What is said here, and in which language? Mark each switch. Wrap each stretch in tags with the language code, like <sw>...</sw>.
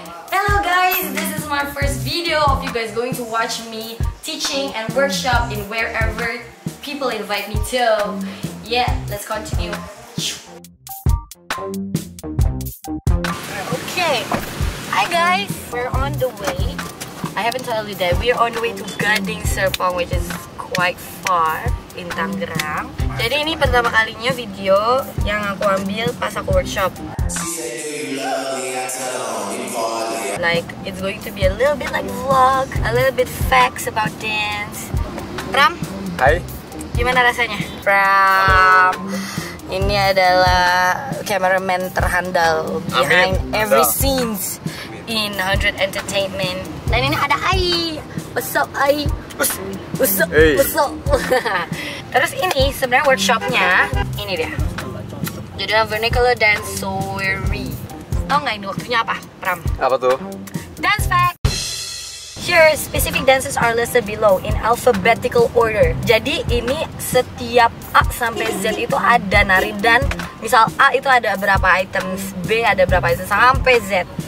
<en>Hello guys, this is my first video of you guys going to watch me teaching and workshop in wherever people invite me to. Yeah, let's continue. Okay, hi guys, we're on the way. I haven't told you that we are on the way to Gading Serpong, which is quite far in Tangerang.</en> <id>Jadi ini pertama kalinya video yang aku ambil pas aku workshop.</id> <en>Like it's going to be a little bit like vlog, a little bit facts about dance. Pram.</en> <id>Hai. Gimana rasanya? Pram. Ini adalah cameraman terhandal</id> <en>behind every scenes in 100 Entertainment.</en> <id>Dan ini ada Ai.</id> <en>What's up Ai? What's up? Hey. What's up?</en> <id>Terus ini sebenarnya workshopnya ini dia. Judulnya Vernacular Dance Soiree. Tau nggak ini waktunya apa, Pram? Apa tuh?</id> <en>Dance fact. Here specific dances are listed below in alphabetical order.</en> <id>Jadi ini setiap A sampai Z itu ada nari dan misal A itu ada berapa items, B ada berapa items sampai Z.</id>